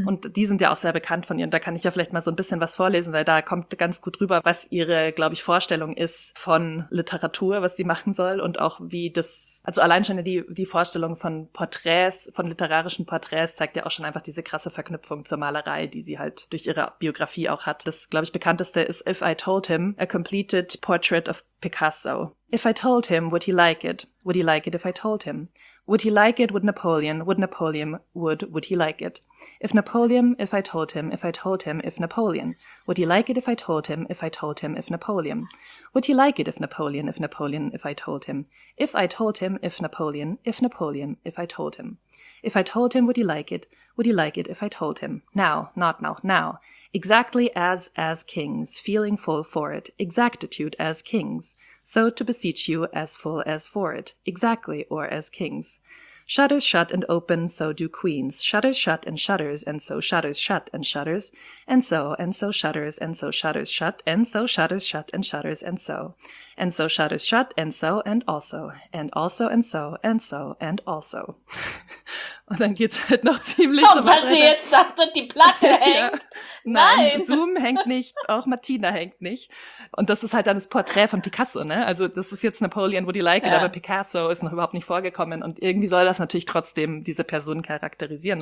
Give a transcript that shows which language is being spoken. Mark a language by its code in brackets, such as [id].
[de] Mhm. Und die sind ja auch sehr bekannt von ihr. Und da kann ich ja vielleicht mal so ein bisschen was vorlesen, weil da kommt ganz gut rüber, was ihre, glaube ich, Vorstellung ist von Literatur, was sie machen soll. Und auch wie das, also allein schon die Vorstellung von Porträts, von literarischen Porträts, zeigt ja auch schon einfach diese krasse Verknüpfung zur Malerei, die sie halt durch ihre Biografie auch hat. Das, glaube ich, bekannteste ist If I Told Him, A Completed Portrait of Picasso. [en] If I told him, would he like it? Would he like it if I told him? Would he like it? Would Napoleon? Would Napoleon? Would he like it? If Napoleon, if I told him, if I told him, if Napoleon. Would he like it if I told him, if I told him, if Napoleon? Would he like it if Napoleon, if I told him? If I told him, if Napoleon, if I told him. If I told him, would he like it? Would he like it if I told him? Now, not now, now. Exactly as kings, feeling full for it, exactitude as kings. So to beseech you as full as for it, exactly or as kings. Shutters shut and open, so do queens. Shutters shut and shutters, and so shutters shut and shutters, and so shutters, and so shutters shut, and so shutters shut and shutters, and so shutters shut, and so, and also, and so, and so, and also. [de] Und dann geht's halt noch ziemlich so weiter. Oh, weil sie jetzt sagt, und die Platte hängt. Ja. Nein. Zoom hängt nicht, auch Martina hängt nicht. Und das ist halt dann das Porträt von Picasso, ne? Also das ist jetzt Napoleon, [en] would you like it, [de] aber Picasso ist noch überhaupt nicht vorgekommen. Und irgendwie soll das natürlich trotzdem diese Person charakterisieren.